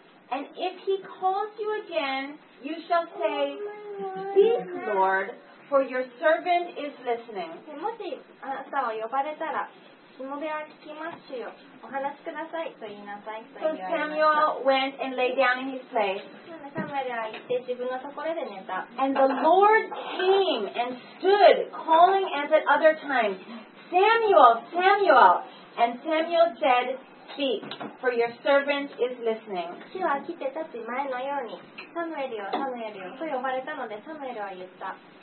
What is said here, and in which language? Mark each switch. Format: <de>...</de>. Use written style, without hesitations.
<en>And if he calls you again, you shall say, "Speak, Lord. For your servant is listening."</en> <ja>もしあなたを呼ばれたら、しもべは聞きますしよ。お話しくださいと言いなさい。</ja> <en>So Samuel went and lay down in his place.</en> <ja>サムエルは行って自分のところで寝た。</ja> <en>And the Lord came and stood, calling as at other times, "Samuel, Samuel." And Samuel said, "Speak, for your servant is listening."</en> <ja>主は来て立つ前のように、サムエルよ、サムエルよと呼ばれたので、サムエルは言った。</ja>